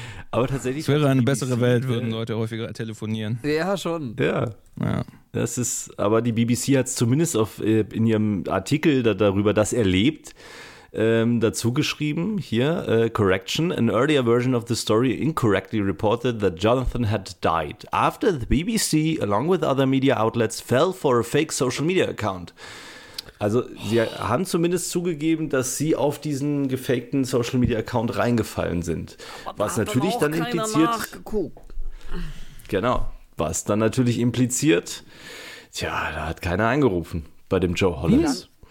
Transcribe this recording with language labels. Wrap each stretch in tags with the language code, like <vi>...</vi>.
<de>Aber tatsächlich. Es wäre eine bessere Welt, würden Leute häufiger telefonieren. Ja, schon. Ja. Ja. Das ist, aber die BBC hat es zumindest in ihrem Artikel darüber, dass er lebt, dazu geschrieben. Hier, Correction.</de> <en>An earlier version of the story incorrectly reported that Jonathan had died after the BBC, along with other media outlets, fell for a fake social media account.</en> <de>Also, sie haben zumindest zugegeben, dass sie auf diesen gefakten Social Media Account reingefallen sind. Was natürlich dann impliziert. Genau. Was dann natürlich impliziert. Tja, da hat keiner angerufen bei dem JoeHollins.</de>